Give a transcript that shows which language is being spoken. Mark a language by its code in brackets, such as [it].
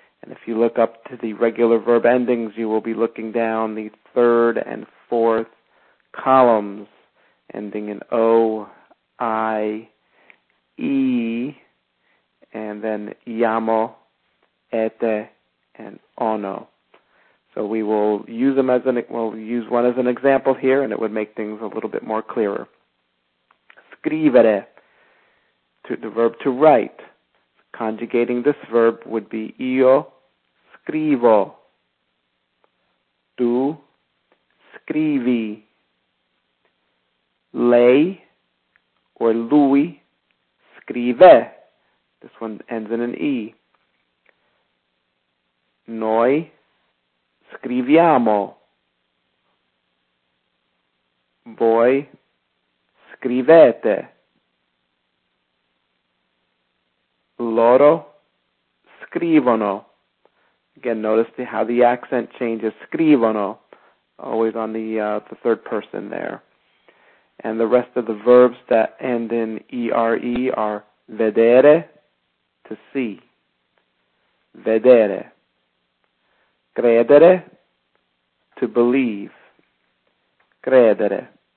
[en] And if you look up to the regular verb endings, you will be looking down the third and fourth columns, ending in O, I, E, and then iamo, ete, and ono. So we will use them as an example here, and it would make things a little bit more clearer. Scrivere, the verb to write. Conjugating this verb would be io. [it] Scrivo, tu scrivi, lei or lui scrive, this one ends in an E, noi scriviamo, voi scrivete, loro scrivono. [en] Again, notice how the accent changes. Scrivono, always on the third person there. And the rest of the verbs that end in ERE are vedere, to see. Vedere. Credere, to believe. Credere.